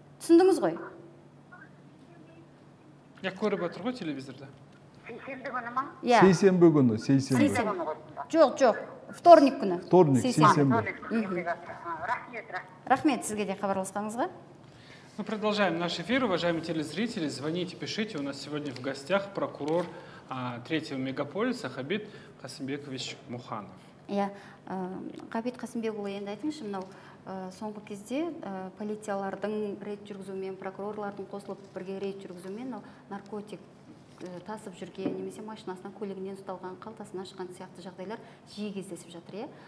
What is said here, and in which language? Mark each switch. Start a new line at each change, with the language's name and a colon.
Kazakh: Түсіндіңіз ғой? Я көріп отыр ғой телевизорда. Сейсенбі күні ма? Сейсенбі күні, сейсенбі. Жоқ,
Russian: вторник
Kazakh: күні.
Russian: Вторник,
Kazakh: сейсенбі. Рахмет сізге де хабарласқаныңызға.
Russian: Мы продолжаем наш эфир. Уважаемые телезрители, звоните, пишите. У нас сегодня в гостях прокурор третьего мегаполиса Хабит Касымбекович Муханов.
Kazakh: Я Хабит Касымбекович, енді айтыңызшы, мынау соңғы кезде полициялардың рейд жүргізуімен, прокурорлардың қосылып бірге рейд жүргізуімен наркотик тасып жүрген, немесе машинасынан көлігінен ұсталған, қалтасынан шыққан сияқты жағдайлар жиі кездесіп жатыр, иә?